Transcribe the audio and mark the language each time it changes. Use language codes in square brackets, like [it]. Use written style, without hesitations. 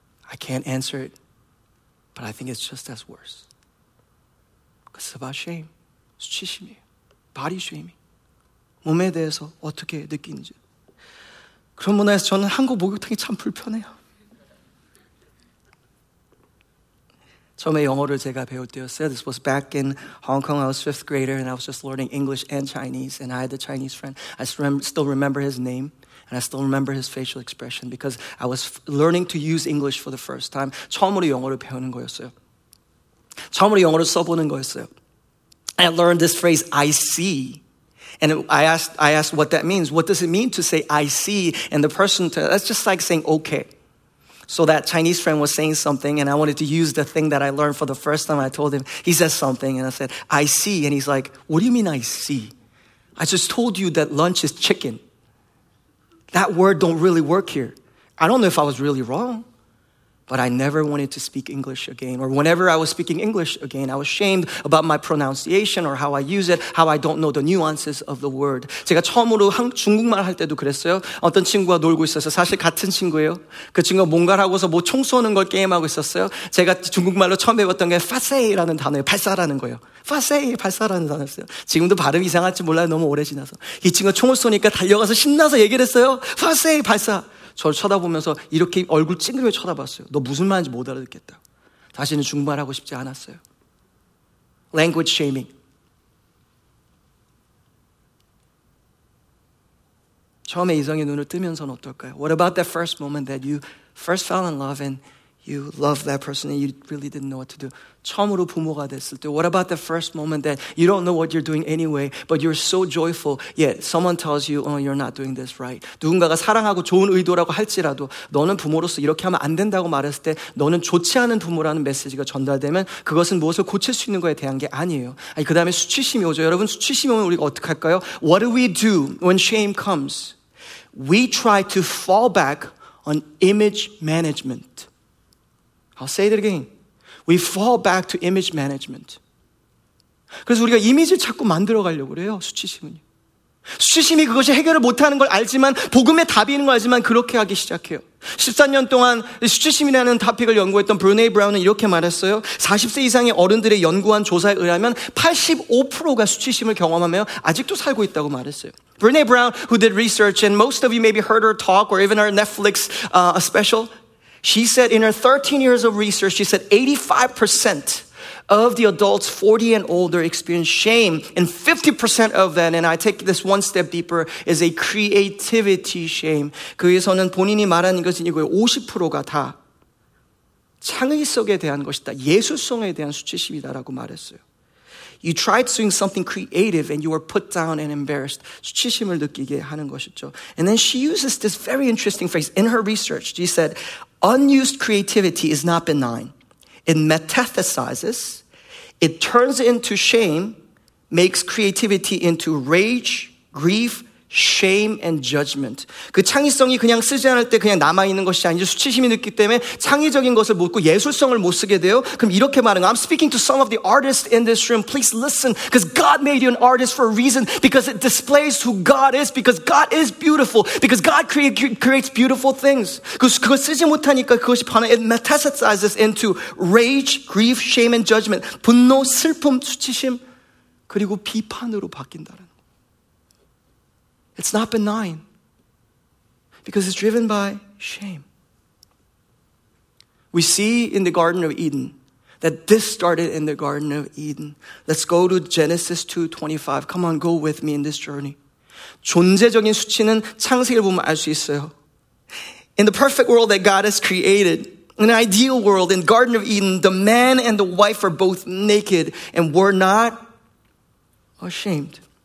[en] I can't answer it, but I think it's just as worse. Because it's about shame. [ko] 수치심이에요. [en] Body shaming. [ko] 몸에 대해서 어떻게 느끼는지. 그런 문화에서 저는 한국 목욕탕이 참 불편해요. 처음에 영어를 제가 배울 때였어요. [en] This was back in Hong Kong. I was fifth grader and I was just learning English and Chinese. And I had a Chinese friend. I still remember his name. And I still remember his facial expression because I was learning to use English for the first time. [ko] 처음으로 영어를 배우는 거였어요. 처음으로 영어를 써보는 거였어요. [en] I learned this phrase, I see. And I asked what that means. What does it mean to say, I see? And the person, that's just like saying, okay. So that Chinese friend was saying something and I wanted to use the thing that I learned for the first time. I told him, he says something and I said, I see. And he's like, what do you mean I see? I just told you that lunch is chicken. That word don't really work here. I don't know if I was really wrong, but I never wanted to speak English again. Or whenever I was speaking English again, I was ashamed about my pronunciation or how I use it, how I don't know the nuances of the word. [ko] 제가 처음으로 중국말 할 때도 그랬어요. 어떤 친구와 놀고 있었어요. 사실 같은 친구예요. 그 친구가 뭔가를 하고서 뭐 총 쏘는 걸 게임하고 있었어요. 제가 중국말로 처음 배웠던 게 파세이라는 단어예요. 발사라는 거예요. 파세이, 발사라는 단어였어요. 지금도 발음이 이상할지 몰라요. 너무 오래 지나서. 이 친구가 총을 쏘니까 달려가서 신나서 얘기를 했어요. 파세이, 발사. 저를 쳐다보면서 이렇게 얼굴 찡그리며 쳐다봤어요. 너 무슨 말인지 못 알아듣겠다. 다시는 중국말하고 싶지 않았어요. [en] Language shaming. [ko] 처음에 이성의 눈을 뜨면서는 어떨까요? [en] What about that first moment that you first fell in love and you loved that person and you really didn't know what to do? [ko] 처음으로 부모가 됐을 때 [en] What about that first moment that you don't know what you're doing anyway but you're so joyful yet someone tells you, oh, you're not doing this right? [ko] 누군가가 사랑하고 좋은 의도라고 할지라도 너는 부모로서 이렇게 하면 안 된다고 말했을 때 너는 좋지 않은 부모라는 메시지가 전달되면 그것은 무엇을 고칠 수 있는 거에 대한 게 아니에요. 아니, 그 다음에 수치심이 오죠. 여러분, 수치심이 오면 우리가 어떡할까요? [en] What do we do when shame comes? We try to fall back on image management. I'll say it again. We fall back to image management. [ko] 그래서 우리가 이미지를 자꾸 만들어 가려고 그래요, 수치심은요. 수치심이 그것이 해결을 못하는 걸 알지만 복음의 답이 있는 걸 알지만 그렇게 하기 시작해요. 13년 동안 수치심이라는 토픽을 연구했던 브루네이 브라운은 이렇게 말했어요. 40세 이상의 어른들의 연구한 조사에 의하면 85%가 수치심을 경험하며 아직도 살고 있다고 말했어요. [en] Brene Brown, who did research, and most of you maybe heard her talk or even her Netflix special, she said in her 13 years of research, she said 85% of the adults 40 and older experience shame, and 50% of that, and I take this one step deeper, is a creativity shame. [ko] 그에서는 본인이 말하는 것은 이거예요. 50%가 다 창의성에 대한 것이다. 예술성에 대한 수치심이다라고 말했어요. [en] You tried doing something creative and you were put down and embarrassed. [ko] 수치심을 느끼게 하는 것이죠. [en] And then she uses this very interesting phrase in her research. She said, unused creativity is not benign. It metathesizes, it turns into shame, makes creativity into rage, grief, shame and judgment. [ko] 그 창의성이 그냥 쓰지 않을 때 그냥 남아있는 것이 아니죠. 수치심이 느끼기 때문에 창의적인 것을 못고 예술성을 못 쓰게 돼요. 그럼 이렇게 말하는 거예요. [en] I'm speaking to some of the artists in this room. Please listen. Because God made you an artist for a reason. Because it displays who God is. Because God is beautiful. Because God creates beautiful things. [ko] 그거 쓰지 못하니까 그것이 변해. [en] It metastasizes into rage, grief, shame and judgment. [ko] 분노, 슬픔, 수치심, 그리고 비판으로 바뀐다는. [en] It's not benign because it's driven by shame. We see in the Garden of Eden that this started in the Garden of Eden. Let's go to Genesis 2:25. Come on, go with me in this journey. [ko] 존재적인 수치는 창세기를 보면 알 수 있어요. [en] In the perfect world that God has created, an ideal world, in the Garden of Eden, the man and the wife are both naked and were not ashamed.